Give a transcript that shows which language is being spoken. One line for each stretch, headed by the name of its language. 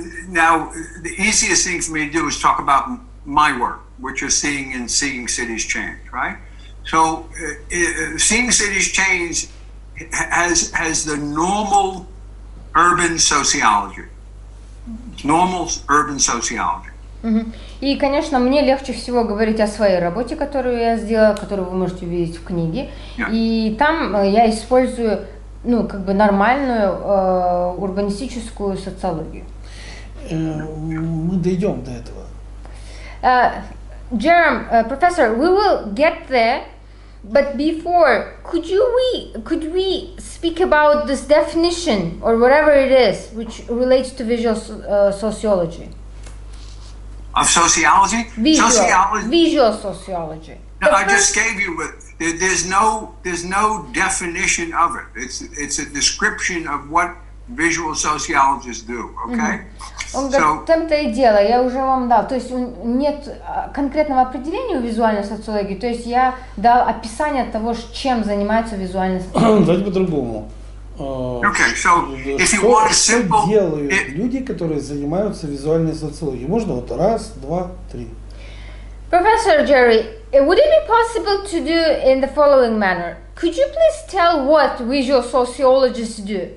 English: Now, the easiest thing for me to do is talk about my work, which is seeing and seeing cities change, right? So, seeing cities change has the normal urban sociology. Normal urban sociology. Mm-hmm.
Russian: И, конечно, мне легче всего говорить о своей работе, которую я сделала, которую вы можете увидеть в книге. Yeah. И там я использую, ну, как бы нормальную урбанистическую социологию. Мы дойдем до этого.
English: Джером, профессор, we will get there, but before, could we speak about this definition or whatever it is, which relates to visual sociology? Of sociology? Visual sociology. No, I just gave you there's no definition of it. It's a description of what visual sociologists do, okay? Mm-hmm.
Russian: So, говорит, там-то и дело, я уже вам дал. То есть нет конкретного определения у визуальной социологии, то есть я дал описание того, чем занимается визуальная социология. Давайте по-другому. Что делают люди, которые занимаются визуальной социологией? Можно вот раз, два, три.
English: Professor Jerry, would it be possible to do in the following manner? Could you please tell what visual sociologists do?